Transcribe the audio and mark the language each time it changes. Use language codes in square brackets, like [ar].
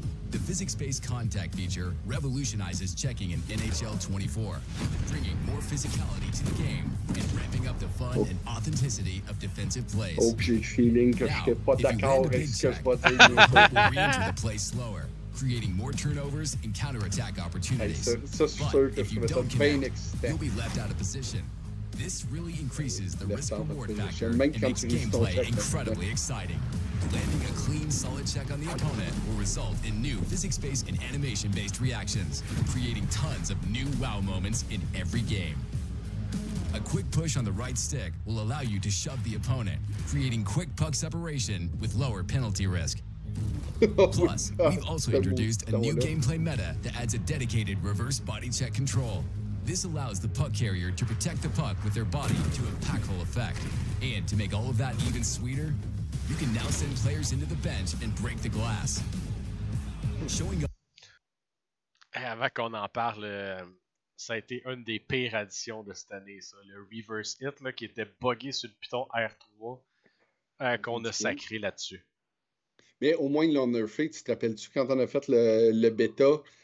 [en] The physics-based contact feature revolutionizes checking in NHL 24, bringing more physicality to the game and ramping up the fun and authenticity of defensive plays. [fr] Oh, j'ai le feeling que je suis pas d'accord avec ce que je vois dire. [en] Re-enter the play slower, creating more turnovers and counter-attack opportunities. But if you don't connect, you'll be left out of position. This really increases the risk-reward factor and makes gameplay incredibly exciting. Landing a clean, solid check on the opponent will result in new physics-based and animation-based reactions, creating tons of new wow moments in every game. A quick push on the right stick will allow you to shove the opponent, creating quick puck separation with lower penalty risk. Plus, we've also introduced a new gameplay meta that adds a dedicated reverse body check control. This allows the puck carrier to protect the puck with their body to a impactful effect. And to make all of that even sweeter, you can now send players into the bench and break the glass. Showing up. [fr] Hey, avant qu'on en parle, ça a été une des pires additions de cette année, ça. Le reverse hit là, qui était buggé sur le piton R3 qu'on a sacré là-dessus. Mais au moins, ils l'ont nerfé. Tu te rappelles-tu quand on a fait le bêta?